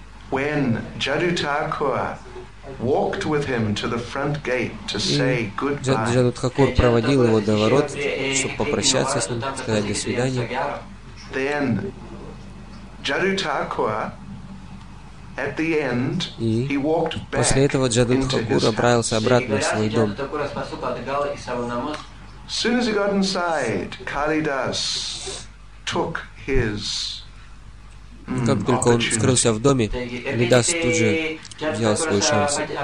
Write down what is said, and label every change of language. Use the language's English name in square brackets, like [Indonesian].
[English] When Jarutakur walked with him to the front gate to say goodbye. [Russian] Джарутхакур проводил его до ворот, чтобы попрощаться с ним, сказать до свидания. [English] Then Jarutakur at the end he walked back. [Russian] После этого Джарутхакур отправился обратно в свой дом. [English] As soon as he got inside, Kalidas took his [Russian] Как только он скрылся в доме, Калидас тут же взял свой шанс.